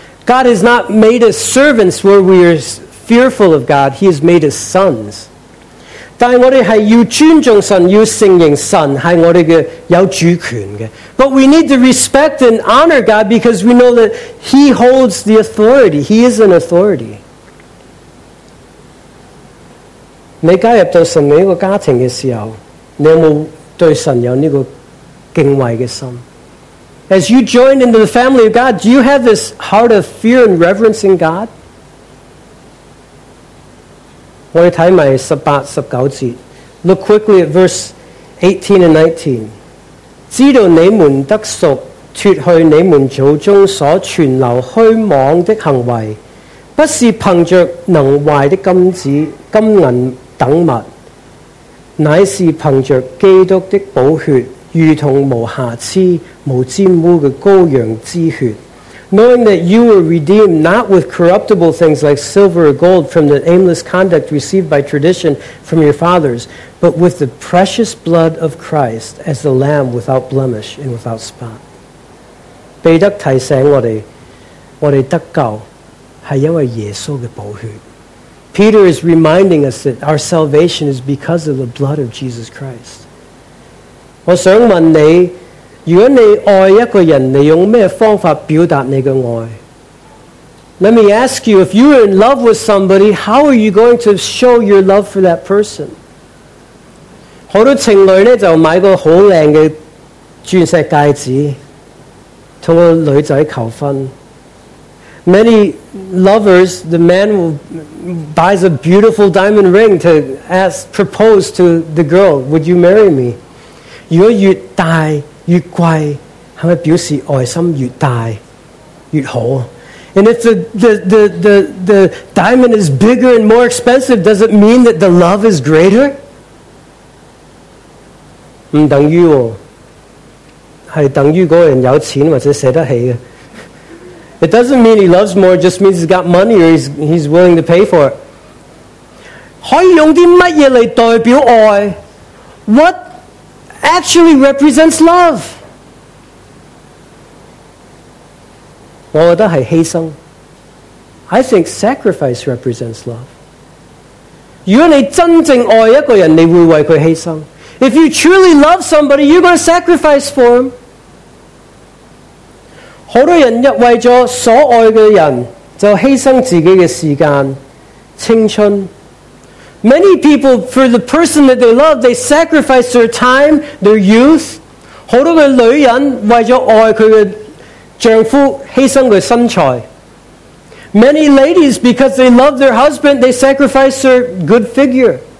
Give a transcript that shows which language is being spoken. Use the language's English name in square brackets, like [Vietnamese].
[English] God has not made us servants where we are fearful of God. He has made us sons. [Cantonese] 但我哋是要尊重神，要承认神是我哋有主权的。 [English] But we need to respect and honor God because we know that He holds the authority. He is an authority. [Cantonese] 你加入到神的一个家庭的时候，你有没有对神有这个敬畏的心？ [English] As you join into the family of God, do you have this heart of fear and reverence in God? [Cantonese] 我们看埋十八、十九节。 [English] Look quickly at verse 18 and 19. [Cantonese] 知道你们得赎，脱去你们祖宗所存留虚妄的行为，不是凭着能坏的金子、金银等物，乃是凭着基督的宝血。如同无瑕疵、无玷污的羔羊之血。 [English] Knowing that you were redeemed not with corruptible things like silver or gold from the aimless conduct received by tradition from your fathers, but with the precious blood of Christ as the Lamb without blemish and without spot. [Cantonese] 彼得提醒我们得救是因为耶稣的宝血。 [English] Peter is reminding us that our salvation is because of the blood of Jesus Christ. [Cantonese] 我想问你，如果你爱一个人，你用咩方法表达你嘅爱？ [English] Let me ask you, if you're in love with somebody, how are you going to show your love for that person? [Cantonese] 好多情侣呢就买个好靓嘅钻石戒指，同个女仔求婚。 [English] Many lovers, the man will buy a beautiful diamond ring to ask, propose to the girl, "Would you marry me?" [Cantonese] 如果越大越贵，是不是表示爱心越大越好？ [English] And if the diamond is bigger and more expensive, does it mean that the love is greater? [Cantonese] 不等于哦，是等于那个人有钱或者舍得起的。 [English] It doesn't mean he loves more, it just means he's got money or he's willing to pay for it. [Cantonese] 可以用啲乜嘢来代表爱？ [English] What? Actually represents love. [Cantonese] 我觉得是牺牲。 [English] I think sacrifice represents love. [Cantonese] 如果你真正爱一个人，你会为他牺牲。 [English] If you truly love somebody, you're going to sacrifice for him. [Cantonese] 好多人一为了所爱的人，就牺牲自己的时间、青春。 [English] Many people, for the person that they love, they sacrifice their time, their youth. [Cantonese] 好多嘅女人为咗爱佢嘅丈夫牺牲佢身材。 [English] Many ladies, because they love their husband, they sacrifice their good figure.